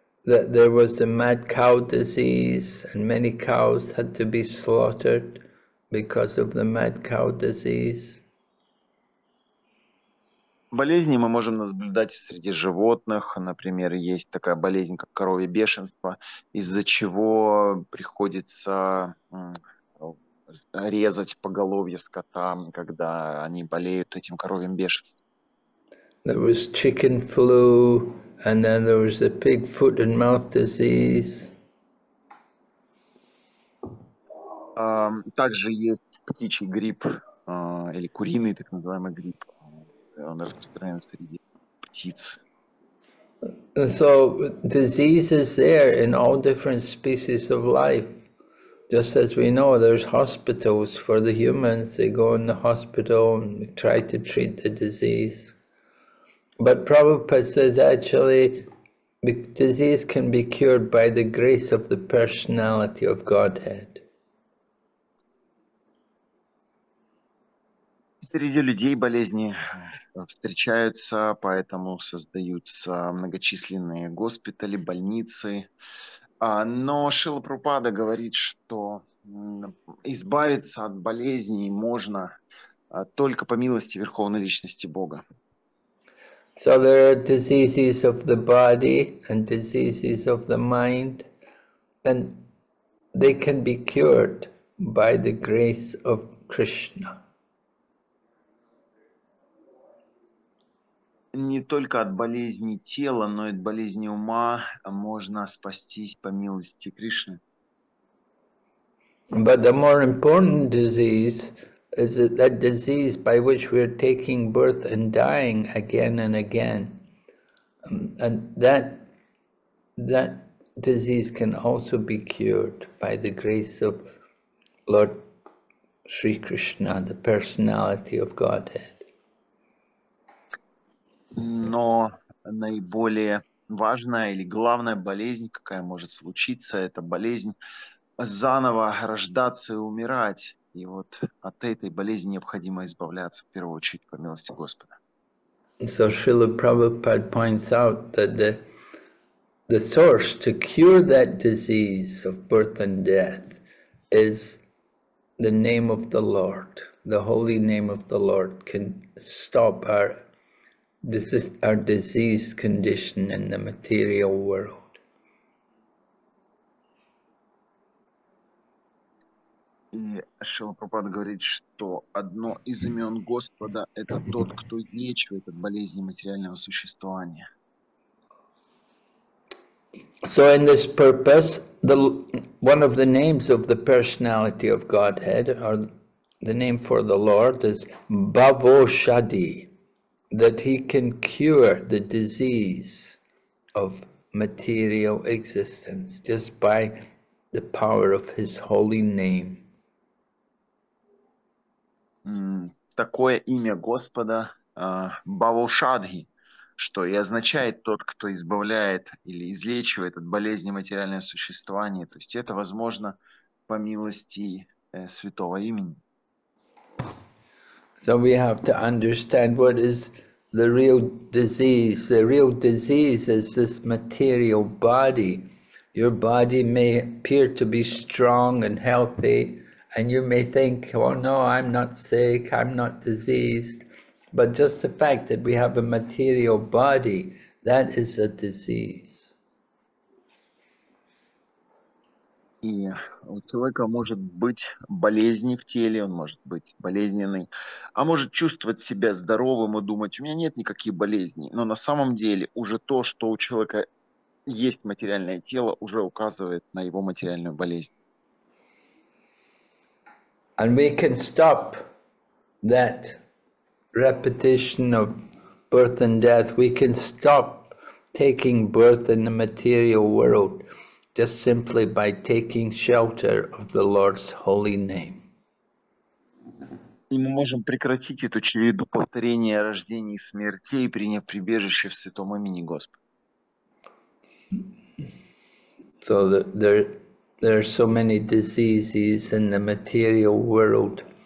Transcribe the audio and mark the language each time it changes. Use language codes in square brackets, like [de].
[en] That there was the mad cow disease, and many cows had to be slaughtered because of the mad cow disease. [ru] Болезни мы можем наблюдать среди животных. Например, есть такая болезнь, как коровье бешенство, из-за чего приходится резать поголовье скота, когда они болеют этим коровьим бешенством. [en] There was chicken flu, and then there was the pig foot and mouth disease. [ru] Также есть птичий грипп, или куриный так называемый грипп. Он распространяется среди птиц. [en] So disease is there in all different species of life. Just as we know, there's hospitals for the humans. They go in the hospital and try to treat the disease. But Prabhupada says actually, disease can be cured by the grace of the personality of Godhead. [ru] Среди людей болезни встречаются, поэтому создаются многочисленные госпитали, больницы. Но Шрила Прабхупада говорит, что избавиться от болезней можно только по милости Верховной Личности Бога. [en] So there are diseases of the body and diseases of the mind, and they can be cured by the grace of Krishna. [ru] не только от болезни тела, но и от болезни ума можно спастись по милости Кришны. [en] But the more important disease is that disease by which we are taking birth and dying again and again. And that disease can also be cured by the grace of Lord Shri Krishna, the personality of Godhead. [ru] Но наиболее важная или главная болезнь, какая может случиться, это болезнь заново рождаться и умирать. И вот от этой болезни необходимо избавляться в первую очередь по милости Господа. [en] So Srila Prabhupada points out that the source to cure that disease of birth and death is the name of the Lord. The holy name of the Lord can stop our diseased condition in the material world. [ru] И Шрила Прабхупада говорит, что одно из имен Господа – это тот, кто излечивает от болезни материального существования. [en] So in this purpose, one of the names of the personality of Godhead, or the name for the Lord, is Bhavoshadi, that he can cure the disease of material existence just by the power of his holy name. [ru] Такое имя Господа, Бавошадхи, что и означает тот, кто избавляет или излечивает от болезни материального существования. То есть это возможно по милости святого имени. [en] So we have to understand what is the real disease. The real disease is this material body. Your body may appear to be strong and healthy, and you may think, well, no, I'm not sick, I'm not diseased. But just the fact that we have a material body, that is a disease. [ru] И у человека может быть болезнь в теле, он может быть болезненный, а может чувствовать себя здоровым и думать, у меня нет никаких болезней. Но на самом деле уже то, что у человека есть материальное тело, уже указывает на его материальную болезнь. [en] And we can stop that repetition of birth and death. We can stop taking birth in the material world just simply by taking shelter of the Lord's holy name. [ru] И мы можем прекратить эту череду повторения рождений и смертей, приняв прибежище в святом имени Господа. [en] So there are so many diseases in the material world.